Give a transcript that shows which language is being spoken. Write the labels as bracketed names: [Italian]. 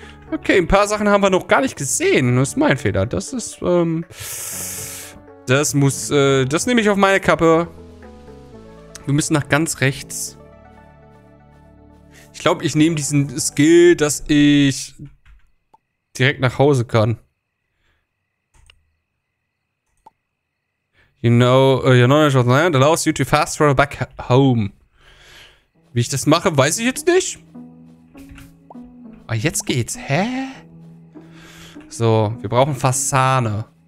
[German] Okay, ein paar Sachen haben wir noch gar nicht gesehen. Das ist mein Fehler. Das ist, das muss, das nehme ich auf meine Kappe. Wir müssen nach ganz rechts. Ich glaube, ich nehme diesen Skill, dass ich direkt nach Hause kann. [English] You know, your knowledge of the land allows you to fast travel back home. [German] Wie ich das mache, weiß ich jetzt nicht. Aber jetzt geht's, hä? So, wir brauchen Fasane.